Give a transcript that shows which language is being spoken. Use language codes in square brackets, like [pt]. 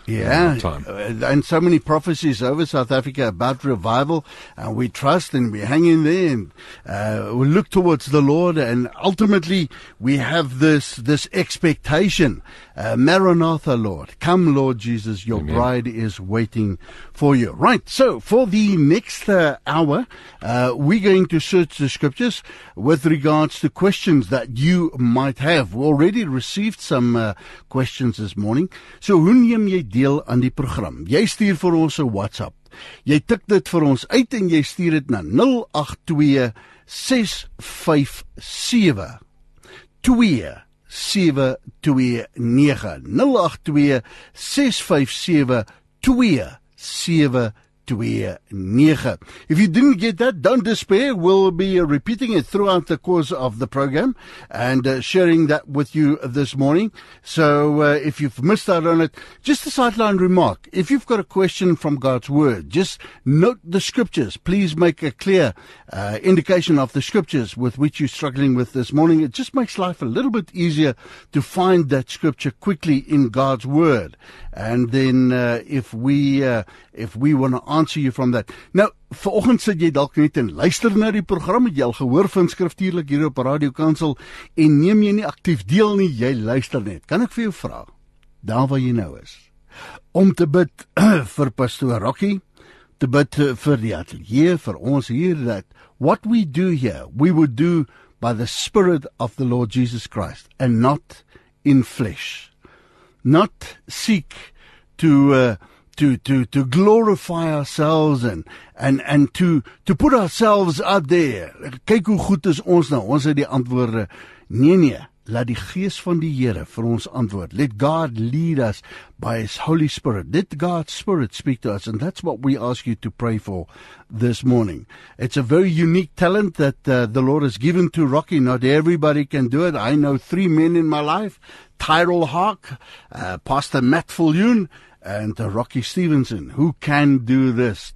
[en] Yeah, and so many prophecies over South Africa about revival, and we trust and we hang in there, and we look towards the Lord, and ultimately we have this expectation. Maranatha, Lord, come, Lord Jesus, your Amen. Bride is waiting for you. Right, so for the next hour, we're going to search the scriptures with regards to questions that you might have. We already received some questions this morning. [af] So, hoe neem jy deel aan die program? Jy stuur vir ons 'n WhatsApp. Jy tik dit vir ons uit en jy stuur dit na 082-657-2729. [en] If you didn't get that, don't despair. We'll be repeating it throughout the course of the program and sharing that with you this morning. So if you've missed out on it, just a sideline remark. If you've got a question from God's Word, just note the scriptures. Please make a clear indication of the scriptures with which you're struggling with this morning. It just makes life a little bit easier to find that scripture quickly in God's Word. And then if we want to answer you from that. [af] Nou, vanoggend sit jy dalk net en luister na die program, het jy al gehoor van skriftuurlik hier op Radio Kansel en neem jy nie aktief deel nie, jy luister net. Kan ek vir jou vra, daar waar jy nou is, om te bid vir Pastor Rocky, te bid vir die atelier, vir ons hier, dat [en] what we do here, we would do by the Spirit of the Lord Jesus Christ and not in flesh. Not seek to glorify ourselves and to put ourselves out there. [af] Kyk hoe goed is ons nou. Ons het die antwoorde. Nee. Laat die Gees van die Here vir ons antwoord. [en] Let God lead us by His Holy Spirit. Let God's Spirit speak to us. And that's what we ask you to pray for this morning. It's a very unique talent that the Lord has given to Rocky. Not everybody can do it. I know three men in my life. Tyrell Hawk, Pastor Matt Fulhune, and Rocky Stevenson, who can do this.